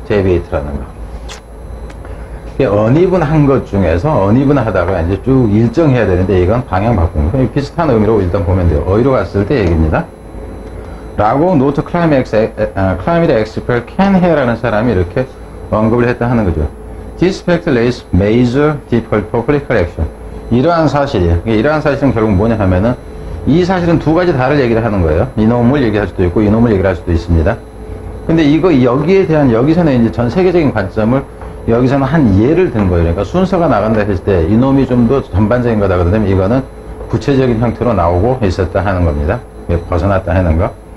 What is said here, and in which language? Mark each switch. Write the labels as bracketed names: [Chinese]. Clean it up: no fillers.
[Korean] 데비에이트라는 거. 언이분한 것 중에서 언이분하다가 이제 쭉 일정해야 되는데 이건 방향 바꾼 거. 비슷한 의미로 일단 보면 돼요. 어디로 갔을 때 얘기입니다. 라고 노트 클라이밋 엑스퍼트 켄 헤라는 사람이 이렇게 언급을 했다 하는 거죠. [English] This fact lays major difficulty for political action. [Korean] 이러한 사실이에요. 이러한 사실은 결국 뭐냐 하면은 이 사실은 두 가지 다를 얘기를 하는 거예요. 이놈을 얘기할 수도 있고 이놈을 얘기할 수도 있습니다. 근데 이거 여기에 대한 여기서는 이제 전 세계적인 관점을 여기서는 한 예를 든 거예요. 그러니까 순서가 나간다 했을 때 이놈이 좀 더 전반적인 거다 그러면 이거는 구체적인 형태로 나오고 있었다 하는 겁니다. 벗어났다 하는 거.